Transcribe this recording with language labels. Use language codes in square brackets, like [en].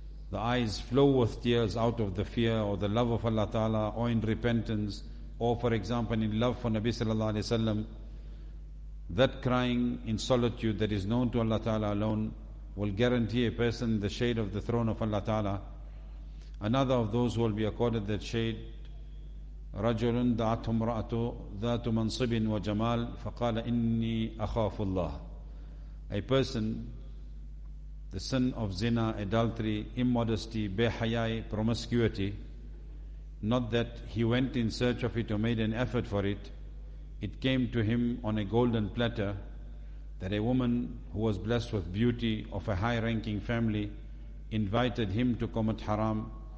[en] The eyes flow with tears out of the fear or the love of Allah Ta'ala, or in repentance, or for example in love for Nabi Sallallahu Alaihi Wasallam. That crying in solitude that is known to Allah Ta'ala alone will guarantee a person the shade of the throne of Allah Ta'ala. Another of those who will be accorded that shade, [ar] رَجُلٌ دَعَتْهُ امْرَأَتُ ذَاتُ مَنْصِبٍ وَجَمَالٍ فَقَالَ إِنِّي أَخَافُ اللَّهِ. [en] A person, the sin of zina, adultery, immodesty, bihayai, promiscuity, not that he went in search of it or made an effort for it, it came to him on a golden platter that a woman who was blessed with beauty of a high-ranking family invited him to commit haram.